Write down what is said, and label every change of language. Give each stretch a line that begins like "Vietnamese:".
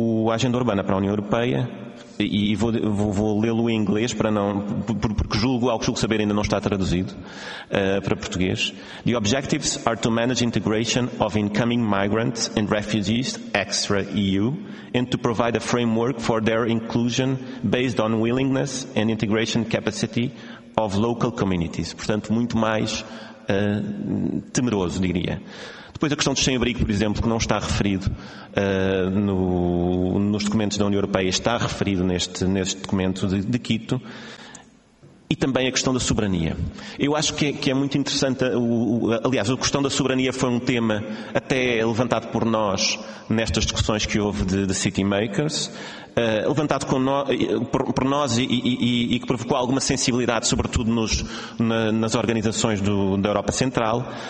Portuguese: A agenda urbana para a União Europeia, e vou lê-lo em inglês para não, porque julgo, ao que julgo saber, ainda não está traduzido para português.
English: The objectives are to manage integration of incoming migrants and refugees extra-EU and to provide a framework for their inclusion based on willingness and integration capacity of local communities.
Portuguese: Portanto, muito mais temeroso, diria. Depois a questão dos sem-abrigo, por exemplo, que não está referido nos documentos da União Europeia, está referido neste documento de Quito, e também a questão da soberania. Eu acho que é muito interessante, aliás, a questão da soberania foi um tema até levantado por nós nestas discussões que houve de City Makers, levantado por nós e que provocou alguma sensibilidade, sobretudo nas organizações da Europa Central,